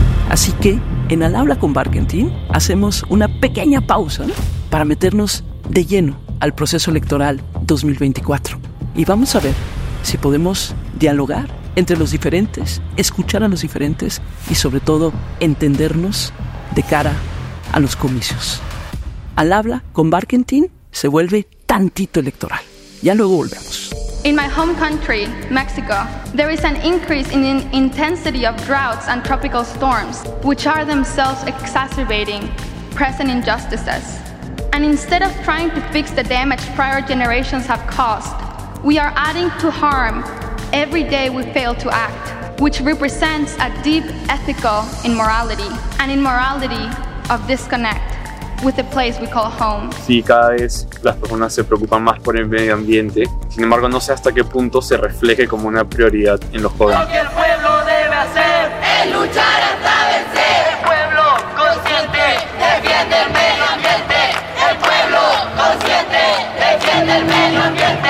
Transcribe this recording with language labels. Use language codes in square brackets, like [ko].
[es] Así que, en Al Habla con Barkentin, hacemos una pequeña pausa para meternos de lleno al proceso electoral 2024. Y vamos a ver si podemos dialogar entre los diferentes, escuchar a los diferentes y, sobre todo, entendernos de cara a los comicios. Al Habla con Barkentin se vuelve tantito electoral. Ya luego volvemos. [en] In my home country, Mexico, there is an increase in the intensity of droughts and tropical storms, which are themselves exacerbating present injustices. And instead of trying to fix the damage prior generations have caused, we are adding to harm every day we fail to act, which represents a deep ethical immorality, an immorality of disconnect with the place we call home. [es] Sí, cada vez las personas se preocupan más por el medio ambiente. Sin embargo, no sé hasta qué punto se refleje como una prioridad en los jóvenes. Lo que el pueblo debe hacer es luchar hasta vencer. El pueblo consciente defiende el medio ambiente. El pueblo consciente defiende el medio ambiente.